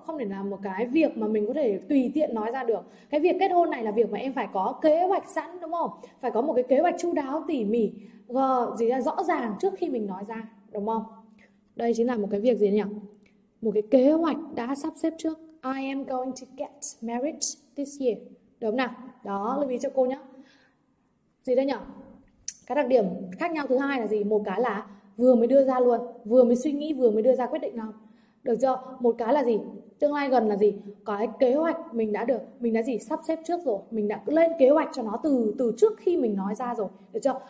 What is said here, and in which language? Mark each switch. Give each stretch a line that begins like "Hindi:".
Vietnamese: Không thể là một cái việc mà mình có thể tùy tiện nói ra được. Cái việc kết hôn này là việc mà em phải có kế hoạch sẵn, đúng không? Phải có một cái kế hoạch chu đáo, tỉ mỉ, gì ra rõ ràng trước khi mình nói ra, đúng không? Đây chính là một cái việc gì đấy nhỉ? Một cái kế hoạch đã sắp xếp trước.
English: I am going to get married this year.
Vietnamese: Đúng không nào? Đó, lưu ý cho cô nhé. Gì đây nhỉ? Cái đặc điểm khác nhau thứ hai là gì? Một cái là vừa mới đưa ra luôn, vừa mới suy nghĩ, vừa mới đưa ra quyết định nào. Được chưa? Một cái là gì? Tương lai gần là gì? Cái kế hoạch mình đã gì? Sắp xếp trước rồi. Mình đã lên kế hoạch cho nó từ từ trước khi mình nói ra rồi. Được chưa?